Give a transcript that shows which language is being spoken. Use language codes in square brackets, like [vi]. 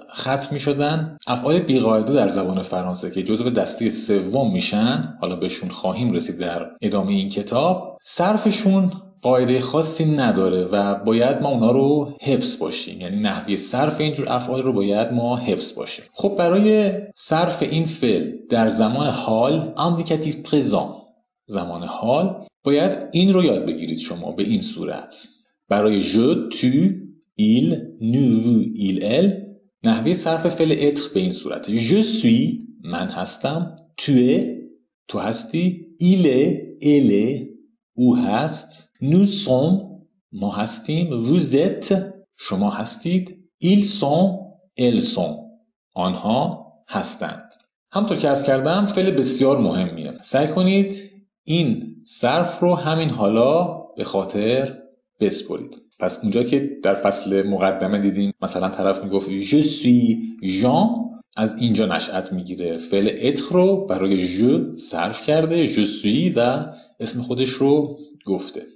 [fa] ختم می‌شدن. افعال بی‌قاعده در زبان فرانسه که جزء دسته سوم میشن، حالا بهشون خواهیم رسید در ادامه این کتاب، صرفشون قاعده خاصی نداره و باید ما اونا رو حفظ باشیم، یعنی نحوی صرف اینجور افعال رو باید ما حفظ باشیم. خب برای صرف این فعل در زمان حال، اندیکاتیو پرزان، زمان حال، باید این رو یاد بگیرید شما به این صورت. برای [fr] je, tu, il, nous, vous, il, elle، [fa] نحوی صرف فعل être به این صورت: [fr] je suis، [fa] من هستم، [fr] tu es، [fa] تو هستی، [fr] il est، elle est، [fa] او هست، [fr] nous sommes، [fa] ما هستیم، [fr] vous êtes، [fa] شما هستید، [fr] ils sont، elles sont، [fa] آنها هستند. همطور که عرض کردم فعل بسیار مهمیه. سعی کنید این صرف رو همین حالا به خاطر بسپرید. پس اونجا که در فصل مقدمه دیدیم مثلا طرف میگفت [fr] je suis Jean، [fa] از اینجا نشأت میگیره، فعل être رو برای je صرف کرده، [fr] je suis، [fa] و اسم خودش رو گفته.